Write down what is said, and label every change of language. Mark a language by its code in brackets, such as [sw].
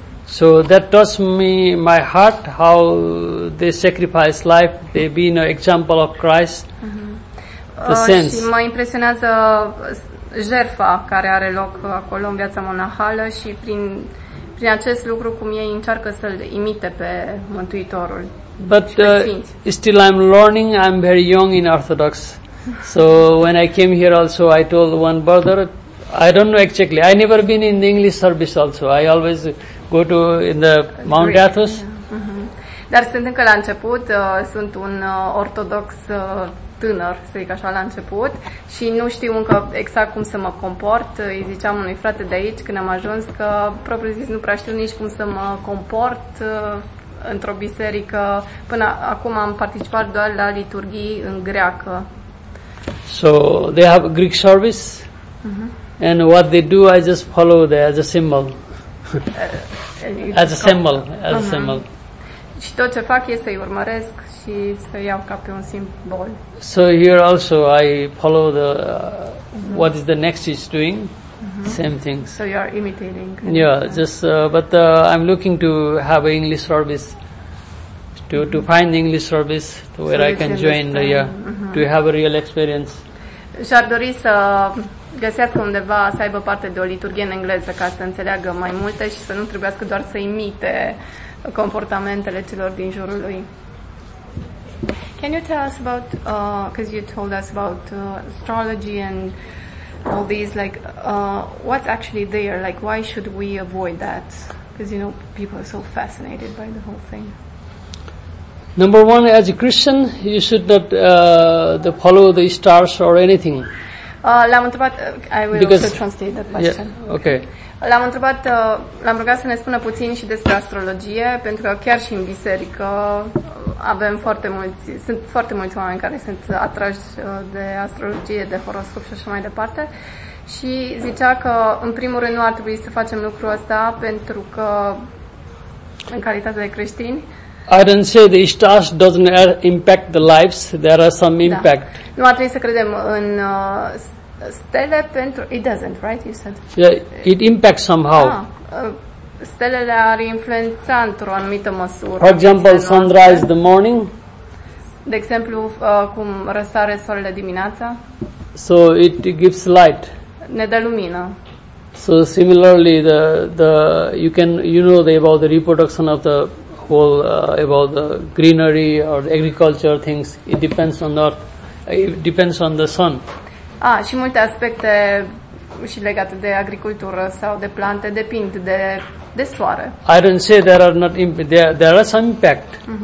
[en] So that taught me my heart how they sacrifice life, they be an example of Christ. [ro] Și mă impresionează jertfa care are loc acolo în viața monahală și prin acest lucru cum ei încearcă să-l imite pe Mântuitorul. [en] But still I'm learning, I'm very young in Orthodox. So when I came here also I told one brother, I don't know exactly, I never been in the English service also. I always go to in the Mount Greek. Athos. [ro] Dar sunt încă la început, sunt un ortodox tânăr, să zic așa, la început și nu știu încă exact cum să mă comport. Îi ziceam unui frate de aici când am ajuns că, propriu zis, nu prea știu nici cum să mă comport într-o biserică. Până acum am participat doar la liturghii în greacă. [en] So, they have a Greek service and what they do, I just follow there as a symbol. as a symbol. [ro] Și tot ce fac este să-i urmăresc și să iau ca pe un simbol. [en] So here also I follow the what is the next is doing, same things. So you are imitating. Yeah, just but I'm looking to have an English service, to find the English service to where so I can join the year, to have a real experience. [ro] Și-ar dori să găsească undeva, să aibă parte de o liturghie în engleză ca să înțeleagă mai multe și să nu trebuiască doar să imite comportamentele celor din jurul lui. [en] Can you tell us about, because you told us about astrology and all these, like, what's actually there? Like, why should we avoid that? Because, you know, people are so fascinated by the whole thing. Number one, as a Christian, you should not follow the stars or anything. [ro] L-am întrebat, [en] I will because, also translate that question. Yeah, okay. [ro] L-am întrebat, l-am rugat să ne spună puțin și despre astrologie, pentru că chiar și în biserică avem foarte mulți, sunt foarte mulți oameni care sunt atrași de astrologie, de horoscop și așa mai departe. Și zicea că, în primul rând, nu ar trebui să facem lucrul ăsta, pentru că, în calitate de creștini, [en] I don't say the stars doesn't impact the lives. There are some impact. [ro] Nu ar trebui să credem în stele pentru... [en] It doesn't, right? You said. Yeah, it impacts somehow. [ro] Stelele ar influența într-o anumită măsură. [en] For example, sunrise the morning. [ro] De exemplu, cum răsare soarele dimineața. [en] So it gives light. [ro] Ne dă lumină. [en] So similarly, the you can you know the about the reproduction of the well, about the greenery or the agriculture things, it depends on the earth. It depends on the sun. [ro] Și multe aspecte și legate de agricultură sau de plante depind de soare. [en] I don't say there are not there are some impact.